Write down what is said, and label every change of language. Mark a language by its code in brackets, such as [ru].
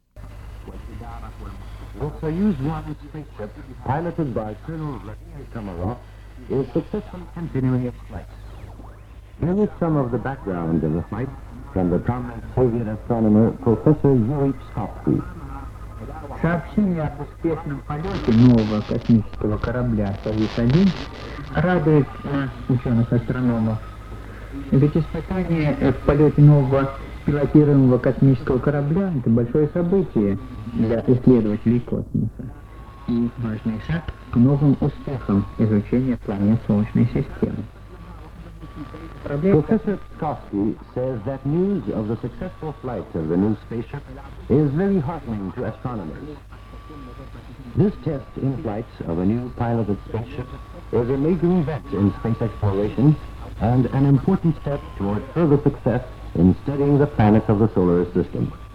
[en] The Soyuz 1 spaceship, piloted by Colonel Vladimir Komarov, is successfully continuing its flight. Here is some of the background of the flight from the prominent Soviet astronomer, Professor Yuri Psofsky. [ru] Сообщение об успешном полете нового космического корабля «Союз-1» радует нас, ученых-астрономов. Ведь испытание в полете нового пилотируемого космического корабля – это большое событие для исследователей космоса и важный шаг к новым успехам изучения планет Солнечной системы. [en] Professor Tsarkovsky says that news of the successful flight of the new spaceship is very heartening to astronomers. This test in flight of a new piloted spaceship is a major event in space exploration and an important step toward further success in studying the planets of the solar system.